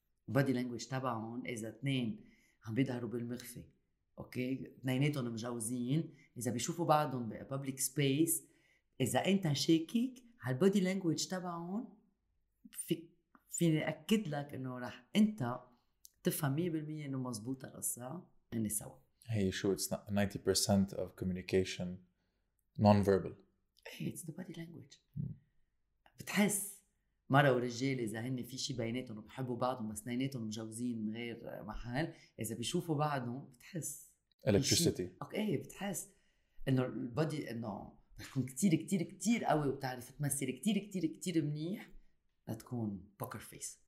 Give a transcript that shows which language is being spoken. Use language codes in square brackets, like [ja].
[ar] body language تبعهم اذا اثنين عم بيظهروا بالمخفي اوكي اثنيناتهم مجوزين اذا بيشوفوا بعضهم ب public space إذا أنت شاكك على البودي لانجويج تبعهم فيني أكد لك إنه راح أنت تفهم 100% إنه مزبوطة القصة إني سوا. هي شو [en] it's 90% of communication non-verbal. هي it's the body language. [ar] بتحس مرة ورجال إذا هن في شيء بيناتهم وبحبوا بعضهم بس نيناتهم مجوزين غير محل إذا بيشوفوا بعضهم بتحس. [en] Electricity. [ar] أوكي إيه بتحس إنه البودي إنه تكون كتير كتير كتير قوي وتعرف تمثل كتير كتير كتير منيح لتكون بوكر فيس.